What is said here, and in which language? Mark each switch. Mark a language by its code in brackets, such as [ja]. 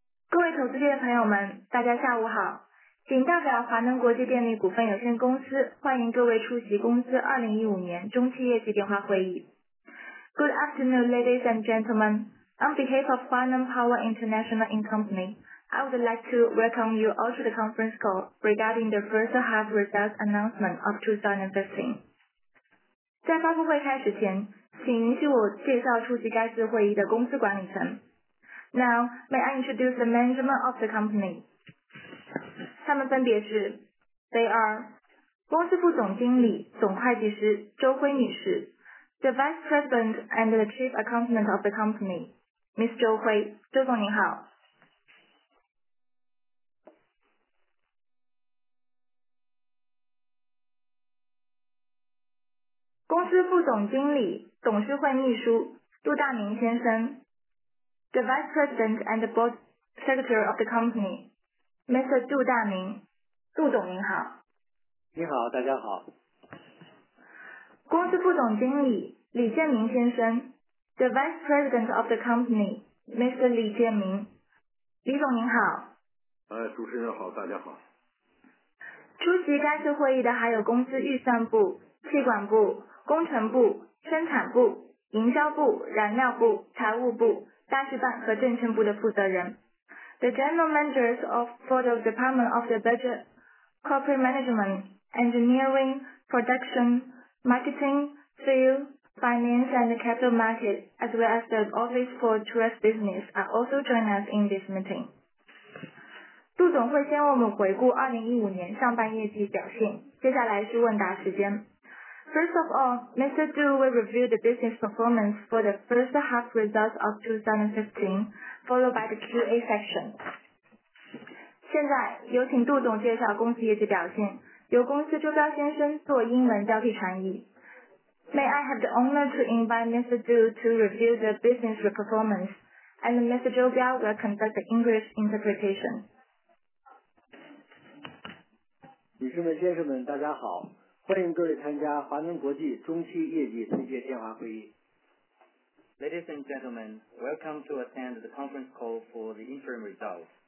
[zh] 各位投资界的朋友们，大家下午好，谨代表华能国际电力股份有限公司欢迎各位出席公司2015年中期业绩电话会议。 [en] Good afternoon, ladies and gentlemen. On behalf of Hua Neng Power International and Company, I would like to welcome you all to the conference call regarding the first half results announcement of 2015. [zh] 在发布会开始前，请允许我介绍出席该次会议的公司管理层。 [en] Now, may I introduce the management of the company? [zh] 他们分别是， [en] They are [zh] 公司副总经理、总会计师周辉女士， [en] The Vice President and the Chief Accountant of the company, Ms. [zh] 周辉，周总您好。公司副总经理、董事会秘书杜大明先生。 [en] The Vice President and the Board Secretary of the company, Mr. [zh] 杜大明，杜总您好。你好，大家好。公司副总经理李建明先生， [en] The Vice President of the company, Mr. [zh] 李建明，李总您好。哎，主持人好，大家好。出席该次会议的还有公司预算部、气管部、工程部、生产部、营销部、燃料部、财务部。大事办和政策部的负责人， [en] The General Managers of for the Department of the Budget, Corporate Management, Engineering, Production, Marketing, Sales, Finance and Capital Market, as well as the Office for Trust Business are also join us in this meeting. [zh] 杜总会先为我们回顾2015年上半业绩表现，接下来是问答时间。 [en] First of all, Mr. Du will review the business performance for the first half results of 2015, followed by the QA section. [zh] 现在有请杜总介绍公司业绩表现，由公司周彪先生做英文交替翻译。 [en] May I have the honor to invite Mr. Du to review the business performance, and Mr. Zhou Biao will conduct the English interpretation. [zh] 女士们、先生们，大家好。欢迎各位参加华能国际中期业绩推介电话会议。 [en] Ladies and gentlemen, welcome to attend the conference call for the interim results.